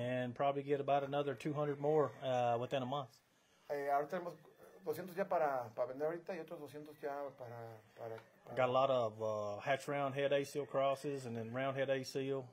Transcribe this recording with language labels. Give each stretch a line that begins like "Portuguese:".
English: And probably get about another 200 more within a month.
Spanish: Ahora tenemos 200 ya para vender ahorita y otros 200 ya para.
English: I've got a lot of hatch round head A-seal crosses and then round head A-seal.